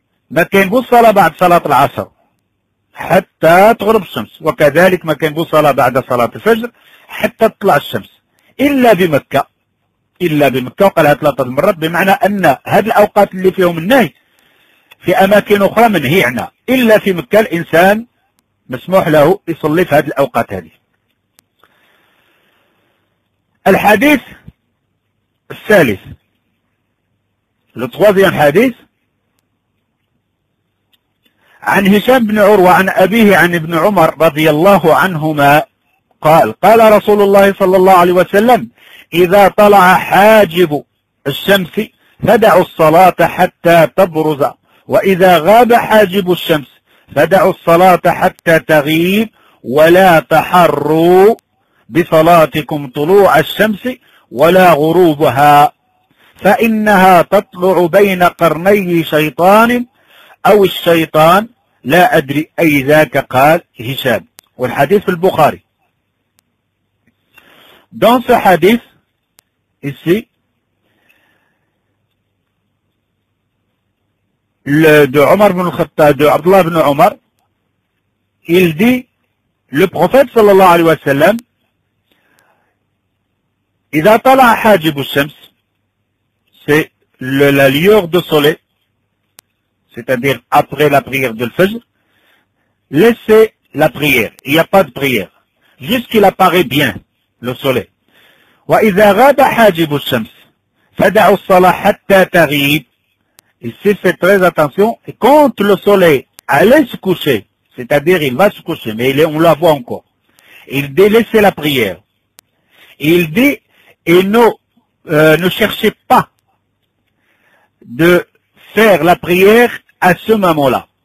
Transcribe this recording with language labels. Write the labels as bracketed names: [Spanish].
[Arabic] ma kain bu salat ba'd salat al-Asr, hatta tghrib shams, wa kadhalik ma kain bu salat ba'd salat al-Fajr, حتى تطلع الشمس إلا بمكة إلا بمكة وقالها ثلاث مرات بمعنى أن هذه الأوقات اللي فيهم النهي في أماكن أخرى منهيعنا إلا في مكة الإنسان مسموح له يصلي في هذه الأوقات هذه. الحديث الثالث الثالث حديث عن هشام بن عروة عن أبيه عن ابن عمر رضي الله عنهما قال قال رسول الله صلى الله عليه وسلم إذا طلع حاجب الشمس فدعوا الصلاة حتى تبرز وإذا غاب حاجب الشمس فدعوا الصلاة حتى تغيب ولا تحروا بصلاتكم طلوع الشمس ولا غروبها فإنها تطلع بين قرني شيطان أو الشيطان لا أدري أي ذاك قال هشام. والحديث في البخاري. [French] Dans ce hadith, ici, le, de Omar ibn al-Khattab, de Abdullah ibn Omar, il dit, le prophète sallallahu alayhi wa sallam, il a [Arabic] tala hajib al-shams, [French] c'est la lueur de soleil, c'est-à-dire après la prière de l'Fajr, laissez la prière, il n'y a pas de prière, jusqu'il apparaît bien le soleil. [Arabic] وإذا غاب حاجب الشمس فدعوا الصلاة حتى تغيب. [French] Ici, c'est très attention. Et quand le soleil allait se coucher, c'est-à-dire il va se coucher, mais on la voit encore. Il dit, laissez la prière. Il dit, et ne cherchez pas de faire la prière à ce moment-là.